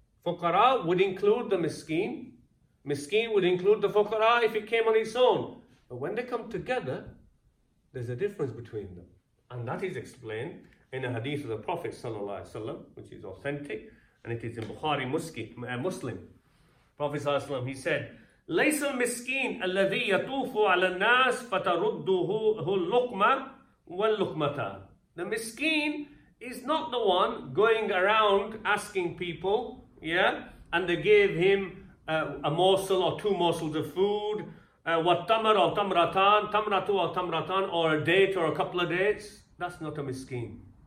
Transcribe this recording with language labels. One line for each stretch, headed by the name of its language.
English: Fuqara would include the miskeen. Miskeen would include the fuqara if it came on its own. But when they come together, there's a difference between them. And that is explained in a hadith of the Prophet ﷺ, which is authentic, and it is in Bukhari Muslim.
Arabic: Prophet ﷺ, he said, لَيْسَ الْمِسْكِينَ الَّذِي يَطُوفُ عَلَى النَّاسِ فَتَرُدُّهُ اللُّقْمَ وَاللُّقْمَةَ.
English: The miskeen is not the one going around asking people, yeah, and they gave him a morsel or two morsels of food, وَالتَّمَرْ أَوْ تَمْرَتَانْ تَمْرَتُ أَوْ تَمْرَتَانْ, or a date or a couple of dates. That's not a miskeen.